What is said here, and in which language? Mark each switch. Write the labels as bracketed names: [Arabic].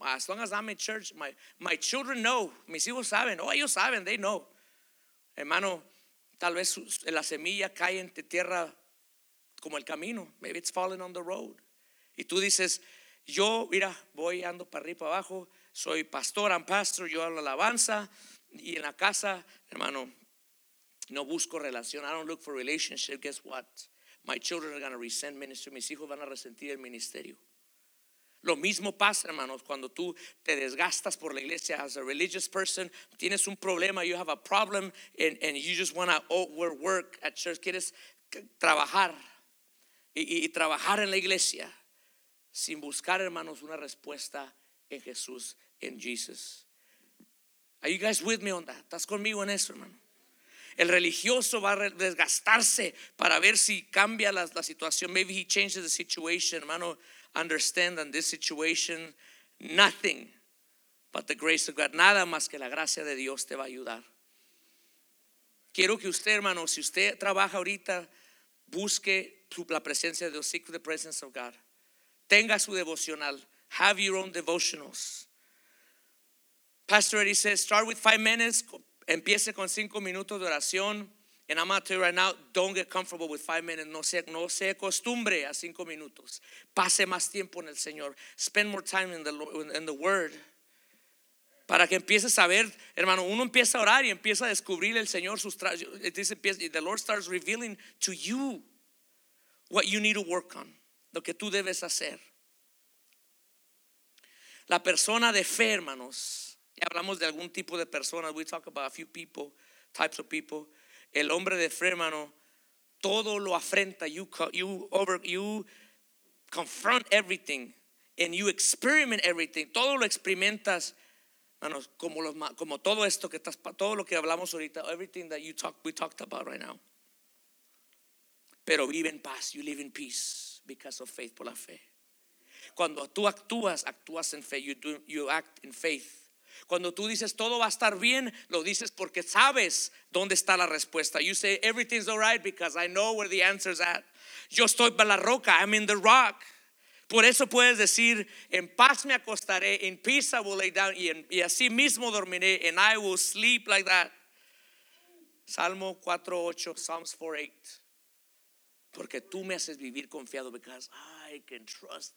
[English] As long as I'm in church, my children know. [Spanish] Mis hijos saben, oh, ellos saben, [English] they know. [Spanish] Hermano, tal vez la semilla cae en tierra como el camino. [English] Maybe it's falling on the road. [Spanish] Y tú dices, yo, mira, voy ando para arriba, para abajo. Soy pastor, [English] I'm pastor, [Spanish] yo hago alabanza. Y en la casa, hermano, no busco relación. [English] I don't look for relationship, guess what? My children are going to resent ministry. [Spanish] Mis hijos van a resentir el ministerio. Lo mismo pasa, hermanos, cuando tú te desgastas por la iglesia. [English] As a religious person, [Spanish] tienes un problema, [English] you have a problem, and you just want to work at church. [Spanish] Quieres trabajar y trabajar en la iglesia sin buscar, hermanos, una respuesta en Jesús, en Jesus. [English] Are you guys with me on that? [Spanish] ¿Estás conmigo en eso, hermano? El religioso va a desgastarse para ver si cambia la situación. [English] Maybe he changes the situation, hermano. Understand that this situation, nothing but the grace of God. [Spanish] Nada más que la gracia de Dios te va a ayudar. Quiero que usted, hermano, si usted trabaja ahorita, busque la presencia de Dios. [English] Seek the presence of God. [Spanish] Tenga su devocional. [English] Have your own devotionals. Pastor Eddie says, start with 5 minutes. [Spanish] Empiece con 5 minutos de oración. [English] And I'm going to tell you right now, don't get comfortable with 5 minutes. [Spanish] No se acostumbre a 5 minutos. Pase más tiempo en el Señor. [English] Spend more time in the Word. [Spanish] Para que empiece a saber, hermano, uno empieza a orar y empieza a descubrir el Señor. [English] The Lord starts revealing to you what you need to work on. [Spanish] Lo que tú debes hacer. La persona de fe, hermanos. Ya hablamos de algún tipo de personas. [English] We talk about a few people, types of people. [Spanish] El hombre de fe, hermano, todo lo afrenta. [English] You confront everything and you experiment everything. [Spanish] Todo lo experimentas, hermano, como todo esto que estás, todo lo que hablamos ahorita, [English] everything that we talked about right now. [Spanish] Pero vive en paz. [English] You live in peace because of faith, [Spanish] por la fe. Cuando tú actúas en fe. [English] You act in faith. [Spanish] Cuando tú dices todo va a estar bien, lo dices porque sabes dónde está la respuesta. [English] You say everything's all right because I know where the answer's at. [Spanish] Yo estoy en la roca, [English] I'm in the rock. [Spanish] Por eso puedes decir, en paz me acostaré, [English] in peace I will lay down, [Spanish] y así mismo dormiré, [English] and I will sleep like that. [Spanish] Salmo 4:8, Psalms 4:8. Porque tú me haces vivir confiado, [English] because I can trust.